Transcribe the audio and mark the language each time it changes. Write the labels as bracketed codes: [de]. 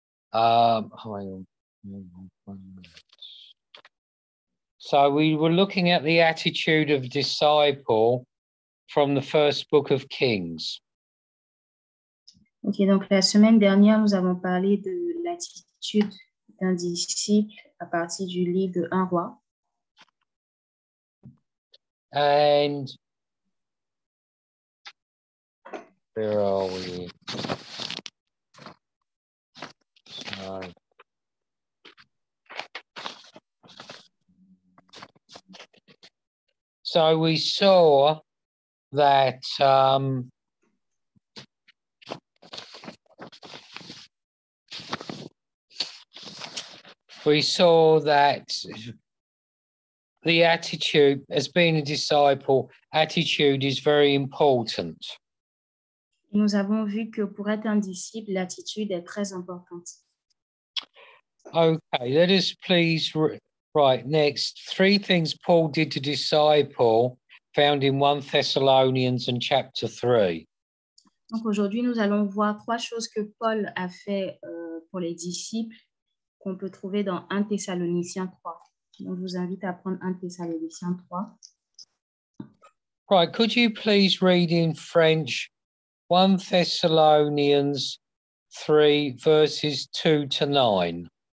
[en] So we were looking at the attitude of disciple from the first book of Kings. [fr] OK, donc la semaine dernière, nous avons parlé de l'attitude d'un disciple à partir du livre de 1 Roi. [en] And where are we? So we saw that the attitude as being a disciple, attitude is very important. [fr] Nous avons vu que pour être un disciple, l'attitude est très importante. [en] Okay, let us please right next three things Paul did to disciple found in 1 Thessalonians and chapter 3. [fr] Donc aujourd'hui nous allons voir trois choses que Paul a fait pour les disciples qu'on peut trouver dans 1 Thessaloniciens 3. Donc je vous invite à prendre 1 Thessaloniciens 3. [en] Right, could you please read in French 1 Thessalonians 3 verses 2 to 9.